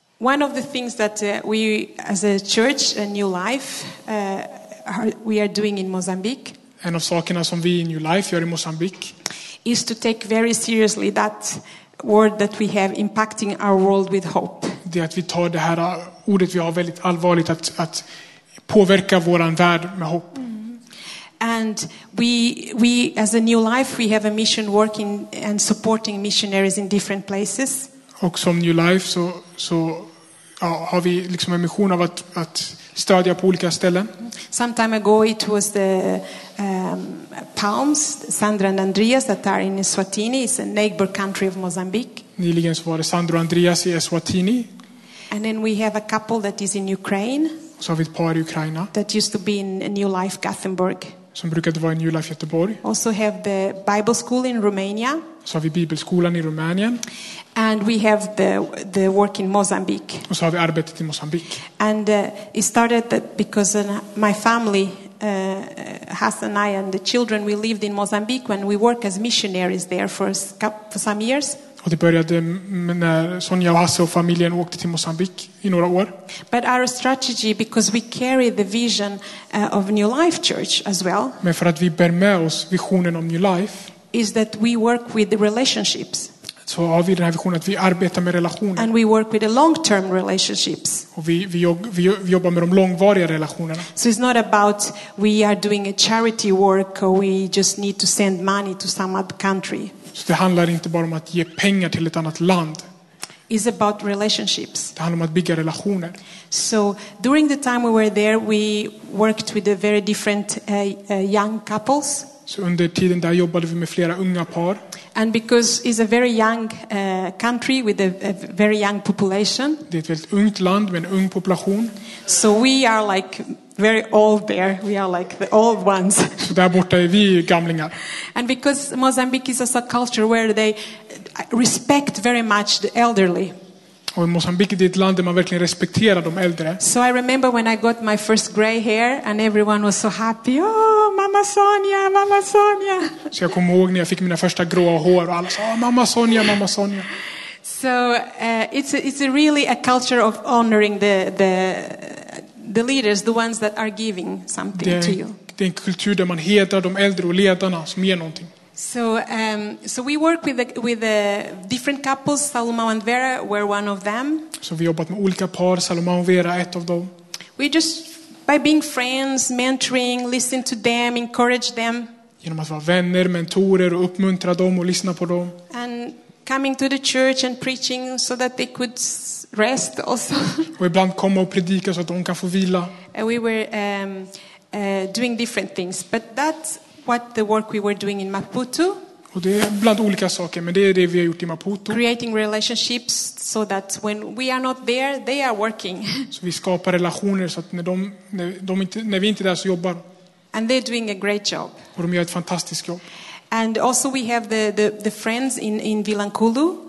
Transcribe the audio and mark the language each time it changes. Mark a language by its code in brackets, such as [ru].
[en] One of the things that we, as a church, a New Life, we are doing in Mozambique. [sv] En av sakerna som vi i New Life gör i Mozambique. [en] Is to take very seriously that word that we have impacting our world with hope. [sv] Det är att vi tar det här ordet vi har väldigt allvarligt att påverka våran värld med hopp. [en] And we as a New Life, we have a mission working and supporting missionaries in different places. [sv] Och som New Life så ja, har vi liksom en mission av att stödja på olika ställen. [en] Some time ago it was the Palms, Sandra and Andreas that are in Eswatini. It's a neighbor country of Mozambique. [sv] Nyligen så var det Sandra och Andreas i Eswatini. [en] And then we have a couple that is in Ukraine. [sv] Så har vi ett par i Ukraina. [en] That used to be in New Life Gothenburg. [sv] Som brukade vara i New Life Göteborg. [en] Also have the Bible school in Romania. [sv] Så har vi bibelskolan i Rumänien. [en] And we have the work in Mozambique. [sv] Och så har vi arbetet i Mozambique. [en] And it started that because my family, Hasse and I and the children, we lived in Mozambique when we worked as missionaries there for some years. [sv] Och det började när Sonja och Hasse och familjen åkte till Mozambique i några år. [en] But our strategy, because we carry the vision of New Life Church as well. [sv] Men för att vi bär med oss visionen om New Life. [en] Is that we work with the relationships. [sv] Så har vi den här visionen att vi arbetar med relationer. [en] And we work with the long-term relationships. [sv] Och vi jobbar med de långvariga relationerna. [en] So it's not about we are doing a charity work or we just need to send money to some other country. [sv] Så det handlar inte bara om att ge pengar till ett annat land. [en] It's about relationships. [sv] Det handlar om att bygga relationer. [en] So during the time we were there we worked with a very different young couples. [sv] Så under tiden där jobbade vi med flera unga par. [en] And because it's a very young country with a very young population. [sv] Det är ett väldigt ungt land med en ung population. [en] So we are like very old there. We are like the old ones. [sv] Så där borta är vi gamlingar. [en] And because Mozambique is a culture where they respect very much the elderly. [sv] Och i Mozambique är ett land där man verkligen respekterar de äldre. [en] So I remember when I got my first gray hair and everyone was so happy. Oh, mamma Sonia, mamma Sonia. [sv] Så jag kommer ihåg när jag fick mina första gråa hår och alla sa, oh, mamma Sonia, mamma Sonia. [en] So it's really a culture of honoring the leaders, the ones that are giving something to you. [sv] Det är en kultur där man hedrar de äldre och ledarna som ger någonting. [en] So we work with the different couples. Salomão and Vera were one of them. [sv] Så vi jobbat med olika par. Salomão och Vera ett av dem. [en] We just by being friends, mentoring, listen to them, encourage them. [sv] Genom att vara vänner, mentorer och uppmuntra dem och lyssna på dem. [en] And coming to the church and preaching so that they could rest also. [sv] Och ibland komma och predika så att de kan få vila. [en] And we were doing different things, but that's what the work we were doing in Maputo. [sv] Och det är bland olika saker, men det är det vi har gjort i Maputo. [en] Creating relationships so that when we are not there, they are working. [sv] Så vi skapar relationer så att när vi inte är där så jobbar. [en] And they're doing a great job. [sv] Och de gör ett fantastiskt jobb. [en] And also we have the friends in Vilankulu.